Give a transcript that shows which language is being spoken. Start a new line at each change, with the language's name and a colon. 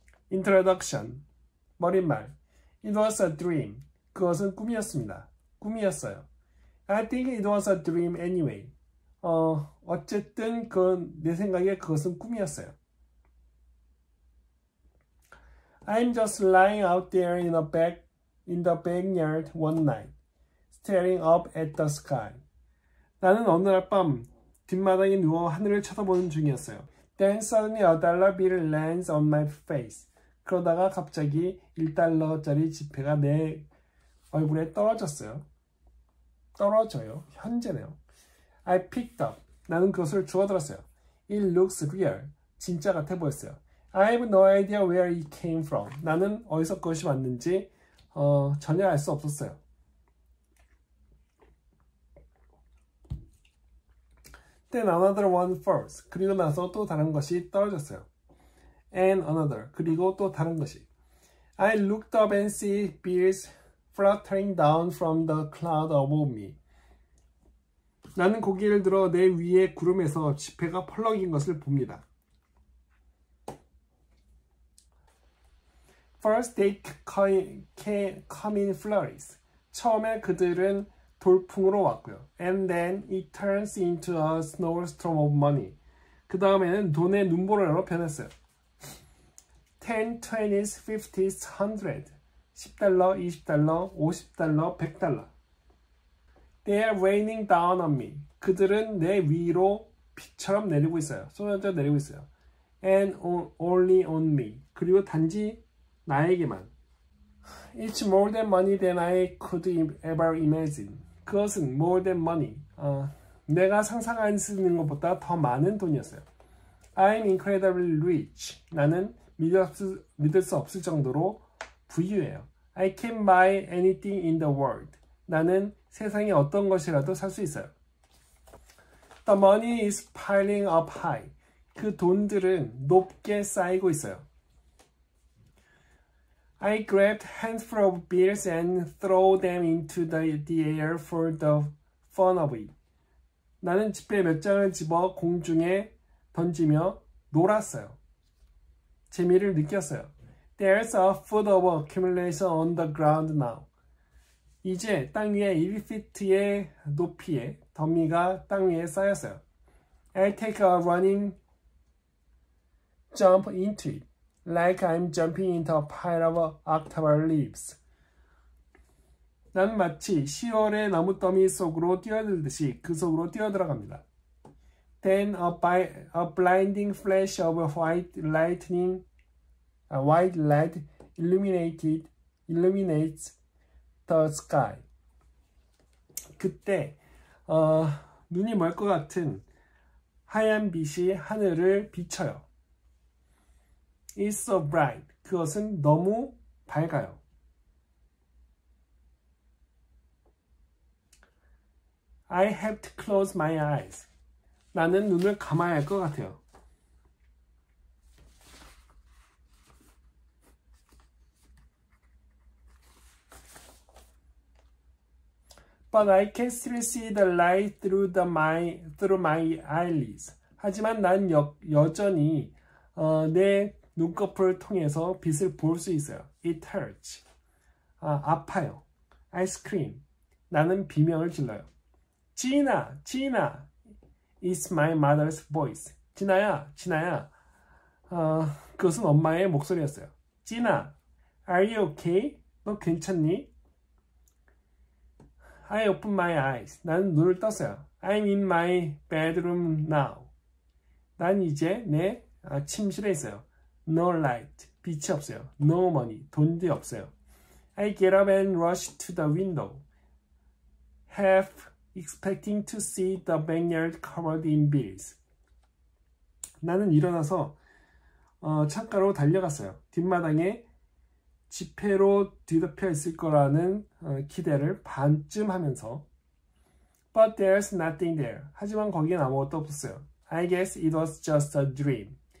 English: Introduction.
Korean: 머릿말.
English: It was a dream.
Korean: 그것은 꿈이었습니다. 꿈이었어요. I think it was a dream anyway. 어쨌든 내 생각에 그것은 꿈이었어요.
English: I'm just lying out there in the backyard one night, staring up at the sky.
Korean: 나는 어느 날밤 뒷마당에 누워 하늘을 쳐다보는 중이었어요.
English: Then suddenly a dollar bill lands on my face.
Korean: 그러다가 갑자기 1달러짜리 지폐가 내 얼굴에 떨어졌어요. 떨어져요. 현재네요.
English: I picked up.
Korean: 나는 그것을 주워들었어요.
English: It looks real.
Korean: 진짜 같아 보였어요.
English: I have no idea where it came from.
Korean: 나는 어디서 그것이 왔는지 전혀 알수 없었어요.
English: 그때 another one falls.
Korean: 그리고 나서 또 다른 것이 떨어졌어요.
English: And another.
Korean: 그리고 또 다른 것이.
English: I looked up and see bills fluttering down from the cloud above me.
Korean: 나는 고개를 들어 내 위에 구름에서 지폐가 펄럭인 것을 봅니다.
English: First they came in flurries.
Korean: 처음에 그들은 돌풍으로 왔고요.
English: And then it turns into a snowstorm of money.
Korean: 그 다음에는 돈의 눈보라로 변했어요. 10, 20s, 50s, 100. 10달러, 20달러, 50달러, 100달러.
English: They are raining down on me.
Korean: 그들은 내 위로 비처럼 내리고 있어요.
English: 쏟아져 내리고 있어요. And only on me.
Korean: 그리고 단지 나에게만.
English: It's more than money than I could ever imagine. 그것은 more than money.
Korean: 내가 상상할 수 있는 것보다 더 많은 돈이었어요.
English: I'm incredibly rich.
Korean: 나는 믿을 수 없을 정도로 부유해요.
English: I can buy anything in the world.
Korean: 나는 세상에 어떤 것이라도 살수 있어요.
English: The money is piling up high.
Korean: 그 돈들은 높게 쌓이고 있어요.
English: I grabbed handful of bills and throw them into the air for the fun of it.
Korean: 나는 지폐 몇 장을 집어 공중에 던지며 놀았어요. 재미를 느꼈어요.
English: There's a foot of accumulation on the ground now.
Korean: 이제 땅 위에 1피트의 높이의 더미가 땅 위에 쌓였어요.
English: I take a running jump into it. Like I'm jumping into a pile of October leaves.
Korean: 난 마치 10월의 나무 더미 속으로 뛰어들듯이 그 속으로 뛰어들어갑니다.
English: Then a blinding flash of white light illuminates the sky.
Korean: 그때 눈이 멀것 같은 하얀 빛이 하늘을 비춰요.
English: It's so bright.
Korean: 그것은 너무 밝아요.
English: I have to close my eyes.
Korean: 나는 눈을 감아야 할것 같아요.
English: But I can still see the light through my eyelids.
Korean: 하지만 난 여전히 내 눈꺼풀을 통해서 빛을 볼수 있어요.
English: It hurts.
Korean: 아파요.
English: I scream.
Korean: 나는 비명을 질러요.
English: Gina, Gina. It's my mother's voice.
Korean: 진아야, 진아야. 그것은 엄마의 목소리였어요.
English: Gina, are you okay?
Korean: 너 괜찮니?
English: I open my eyes.
Korean: 나는 눈을 떴어요.
English: I'm in my bedroom now.
Korean: 난 이제 내 침실에 있어요.
English: No light,
Korean: 빛이 없어요.
English: No money,
Korean: 돈도 없어요.
English: I get up and rush to the window, half expecting to see the backyard covered in bills.
Korean: 나는 일어나서 창가로 달려갔어요. 뒷마당에 지폐로 뒤덮여 있을 거라는 기대를 반쯤 하면서.
English: But there's nothing there.
Korean: 하지만 거기엔 아무것도 없었어요.
English: I guess it was just a dream.